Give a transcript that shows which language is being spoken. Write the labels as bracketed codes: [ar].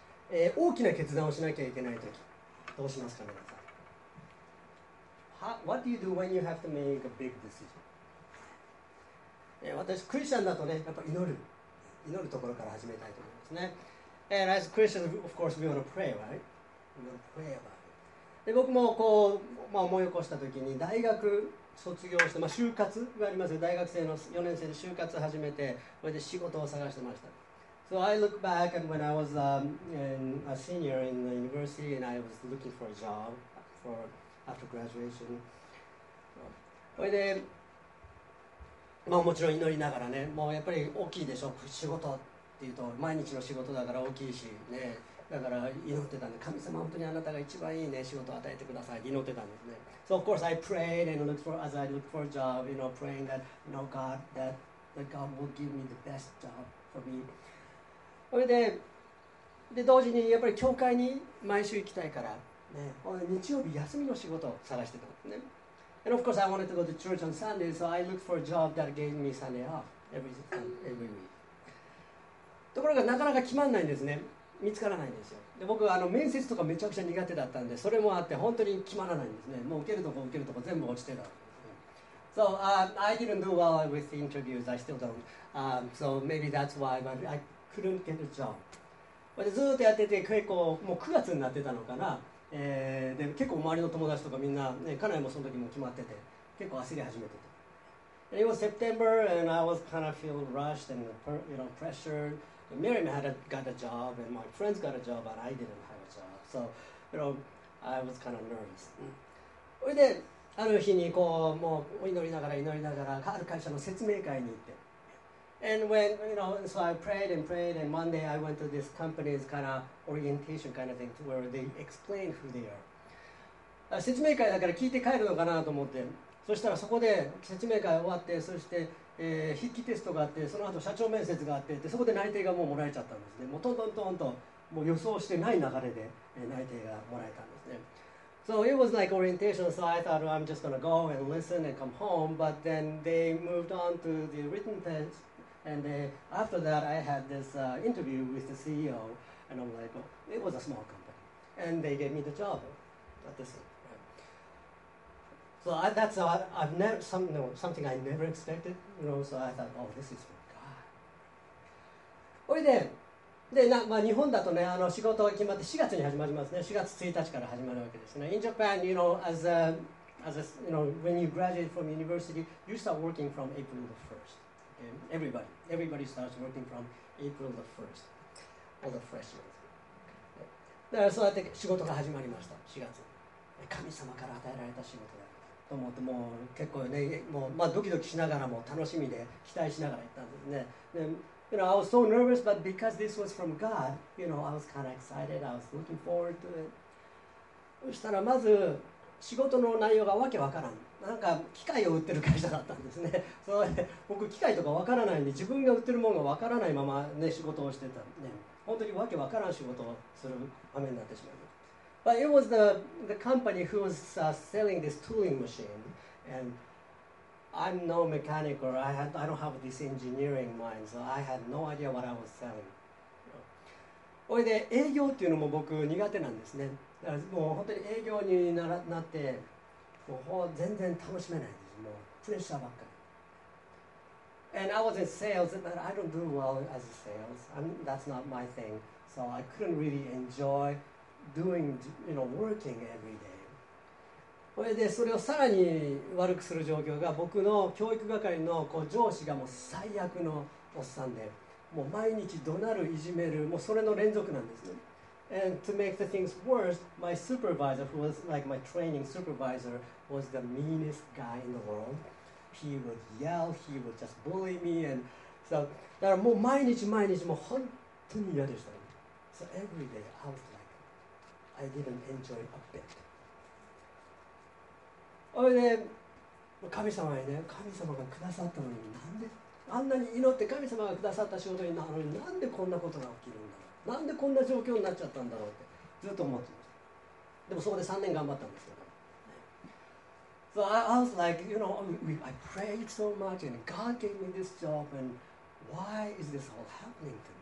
[ja] 大きな決断をしなきゃいけないとき、どうしますか、皆さん。 [en] What do you do when you have to make a big decision? [ja] 私、クリスチャンだとね、やっぱ祈る。祈るところから始めたいと思いますね。 [en] And as Christians, of course, we want to pray, right? We want to pray about it. [ja] で、僕もこう、まあ、思い起こしたときに、大学卒業して、まあ、就活がありますよ。大学生の4年生で就活を始めて、それで仕事を探してました。 [en] So I look back and when I was in a senior in the university and I was looking for a job for after graduation. [ja] それで、まあ、もちろん祈りながらね、もうやっぱり大きいでしょ、仕事っていうと、毎日の仕事だから大きいしね、だから祈ってたんで、神様本当にあなたが一番いいね、仕事を与えてくださいって祈ってたんですね。 [en] So of course I prayed and looked for, as I looked for a job, you know, praying that, you know, God, that, that God will give me the best job for me. [ja] それで、で同時にやっぱり教会に毎週行きたいから、ね、日曜日休みの仕事を探してたんですね。 [en] And of course I wanted to go to church on Sunday, so I looked for a job that gave me Sunday off every week. [ja] ところがなかなか決まんないんですね。見つからないんですよ。で僕はあの面接とかめちゃくちゃ苦手だったんで、それもあって本当に決まらないんですね。もう受けるとこ受けるとこ全部落ちてた。 [en] So I didn't do well with the interviews. I still don't. So maybe that's why I couldn't get a job. [ja] でずっとやってて結構もう9月になってたのかな、で結構周りの友達とかみんな、ね、家内もその時も決まってて結構焦り始めてて、 [en] and it was September and I was kind of feeling rushed and you know, pressured. Miriam had got a job and my friends got a job but I didn't have a job. So you know, I was kind of nervous. [ja] それである日にこうもう祈りながら祈りながらある会社の説明会に行って、 [en] And when, you know, so I prayed and prayed, and one day I went to this company's kind of orientation kind of thing to where they explain who they are. [ja] 説明会だから聞いて帰るのかなと思って、そしたらそこで説明会終わって、そして、筆記テストがあって、その後社長面接があって、でそこで内定がもうもらえちゃったんですね。もうトントントンと、もう予想してない流れで、内定がもらえたんですね。 [en] So it was like orientation, so I thought, well, I'm just going to go and listen and come home, but then they moved on to the written test. And after that, I had this interview with the CEO, and I'm like, oh, it was a small company, and they gave me the job at this one. So that's I've never something I never expected, you know. So I thought, oh, this is from God. [ja] おいで、でなまあ日本だとね、あの仕事が決まって4月に始まりますね。 4月1日から始まるわけですね。 [en] In Japan, you know, as a, you know, when you graduate from university, you start working from April the 1st. Everybody starts working from April the 1st, all the freshmen. [ja] だからそうやって仕事が始まりました、4月。神様から与えられた仕事だと思って、もう結構ね、もうまあドキドキしながらも楽しみで期待しながら行ったんですね。で、 [en] you know, I was so nervous, but because this was from God, you know, I was kind of excited, I was looking forward to it. [ja] そしたらまず仕事の内容がわけわからん。なんか機械を売ってる会社だったんですね。そうで僕機械とかわからないんで、自分が売ってるものがわからないままね、仕事をしてたんで、本当にわけわからん仕事をする場面になってしまいました。 [en] But it was the company who was selling this tooling machine. And I'm no mechanic or I don't have this engineering mind, so I had no idea what I was selling. [ja] それで営業っていうのも僕苦手なんですね。だからもう本当に営業に なって、もう全然楽しめないんです。もうプレッシャーばっかり。 [en] And I was in sales, but I don't do well as a sales. That's not my thing. So I couldn't really enjoy doing, you know, working every day. [ja] それでそれをさらに悪くする状況が、僕の教育係のこう上司がもう最悪のおっさんで、もう毎日怒鳴る、いじめる、もうそれの連続なんですね。 [en] And to make the things worse, my supervisor, who was like my training supervisor, was the meanest guy in the world. He would yell, he would just bully me, and so [ja] だからもう毎日毎日もう本当に嫌でした。 [en] So every day I was like, I didn't enjoy a bit. [ja] それで神様にね、神様がくださったのになんであんなに祈って神様がくださった仕事になるのになんでこんなことが起きるんだろう。なんでこんな状況になっちゃったんだろうってずっと思ってました。でもそこで3年頑張ったんですけど。 [en] So I was like, you know, I prayed so much and God gave me this job and why is this all happening to me?